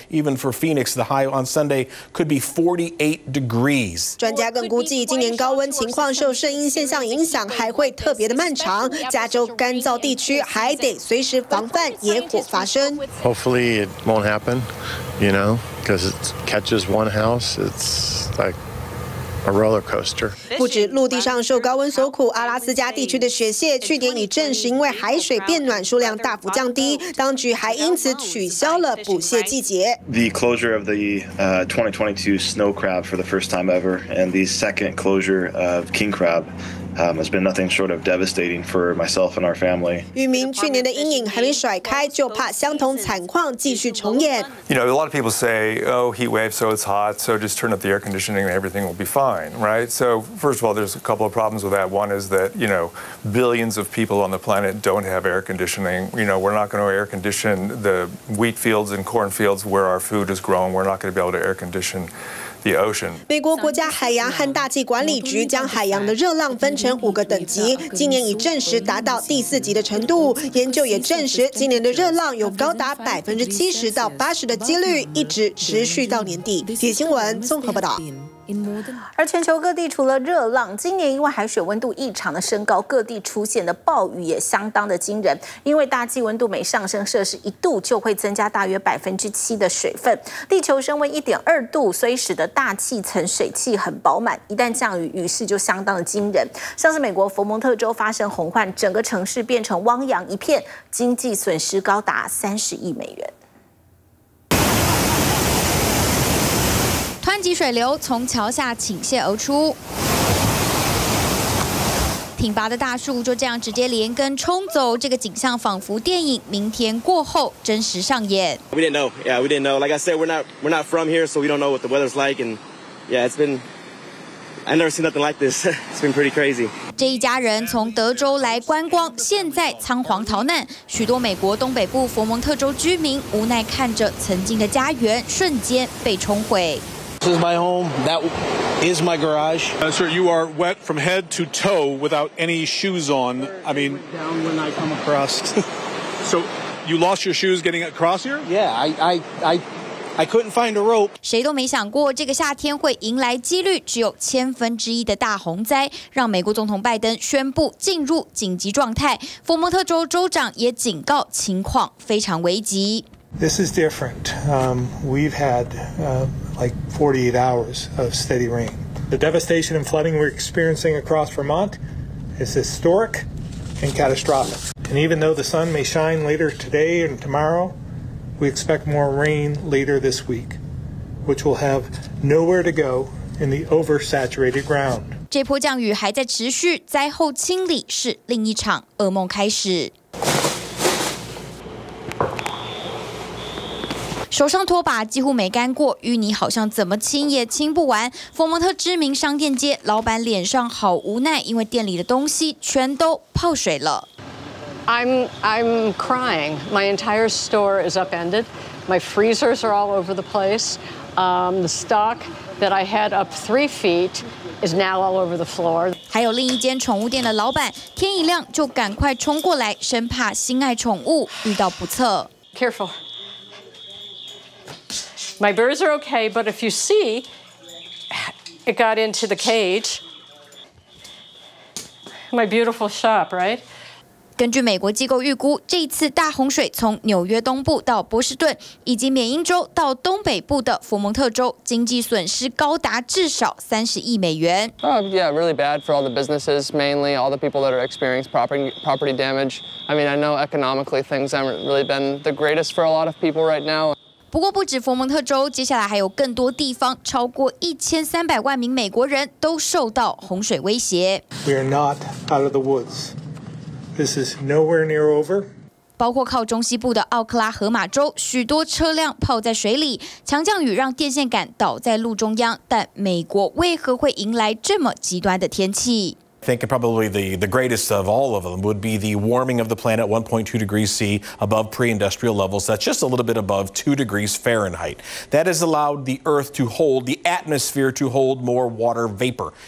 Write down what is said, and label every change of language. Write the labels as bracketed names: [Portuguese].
[English] Even for Phoenix, the high on Sunday could be 48 degrees. [Chinese] 专家更估计，今年高温情况受声音现象影响，还会特别的漫长。加州干燥地区还得随时防范野火发生。 [English] Hopefully it won't happen, you know, because it catches one house, it's like. A roller coaster. [Chinese] 不止陆地上受高温所苦，阿拉斯加地区的雪蟹去年已证实，因为海水变暖，数量大幅降低。当局还因此取消了捕蟹季节。 [English] The closure of the 2022 snow crab for the first time ever, and the second closure of king crab. Has been nothing short of devastating for myself and our family. [Chinese] 渔民去年的阴影还没甩开，就怕相同惨况继续重演。 [English] You know, a lot of people say, "Oh, heat wave, so it's hot, so just turn up the air conditioning and everything will be fine, right?" So, first of all, there's a couple of problems with that. One is that, you know, billions of people on the planet don't have air conditioning. You know, we're not going to air condition the wheat fields and corn fields where our food is grown. We're not going to be able to air condition. [Chinese] 美国国家海洋和大气管理局将海洋的热浪分成五个等级，今年已证实达到第四级的程度。研究也证实，今年的热浪有高达70%-80%的几率一直持续到年底。体新闻综合报道。而全球各地除了热浪，今年因为海水温度异常的升高，各地出现的暴雨也相当的惊人。因为大气温度每上升摄氏一度，就会增加大约7%的水分。地球升温1.2度，所以使得大气层水汽很饱满，一旦降雨，雨势就相当的惊人。像是美国佛蒙特州发生洪患，整个城市变成汪洋一片，经济损失高达$30亿。湍急水流从桥下倾泻而出，挺拔的大树就这样直接连根冲走。这个景象仿佛电影《明天过后》真实上演。 [English] We didn't know, yeah, we didn't know. Like I said, we're not from here, so we don't know what the weather's like. And yeah, it's been I've never seen nothing like this. It's been pretty crazy. [Chinese] 这一家人从德州来观光，现在仓皇逃难。许多美国东北部佛蒙特州居民无奈看着曾经的家园瞬间被冲毁。 [English] This is my home. That is my garage. Sir, you are wet from head to toe without any shoes on. I mean, down when I come across. So, you lost your shoes getting across here? Yeah, I couldn't find a rope. [Chinese] 谁都没想过这个夏天会迎来几率只有1/1000的大洪灾，让美国总统拜登宣布进入紧急状态。佛蒙特州州长也警告情况非常危急。 [English] This is different. We've had like 48 hours of steady rain. The devastation and flooding we're experiencing across Vermont is historic and catastrophic. And even though the sun may shine later today and tomorrow, we expect more rain later this week, which will have nowhere to go in the oversaturated ground. [Chinese] 这波降雨还在持续，灾后清理是另一场噩梦开始。手上拖把几乎没干过，淤泥好像怎么清也清不完。佛蒙特知名商店街老板脸上好无奈，因为店里的东西全都泡水了。 [English] I'm crying. My entire store is upended. My freezers are all over the place. The stock that I had up 3 feet is now all over the floor. [Chinese] 还有另一间宠物店的老板，天一亮就赶快冲过来，生怕心爱宠物遇到不测。 [English] Careful. My birds are okay, but if you see, it got into the cage. My beautiful shop, right? [Chinese] 根据美国机构预估，这次大洪水从纽约东部到波士顿，以及缅因州到东北部的佛蒙特州，经济损失高达至少$30亿。 [English] Oh, yeah, really bad for all the businesses, mainly all the people that are experiencing property damage. I mean, I know economically things haven't really been the greatest for a lot of people right now. [Chinese] 不过不止佛蒙特州，接下来还有更多地方，超过1300万名美国人都受到洪水威胁。 [English] We are not out of the woods. This is nowhere near over. [Chinese] 包括靠中西部的奥克拉荷马州，许多车辆泡在水里，强降雨让电线杆倒在路中央。但美国为何会迎来这么极端的天气？ [English] think probably the greatest of all of them would be the warming of the planet 1.2 degrees C above pre-industrial levels. That's just a little bit above 2 degrees Fahrenheit. That has allowed the Earth to hold, the atmosphere to hold more water vapor.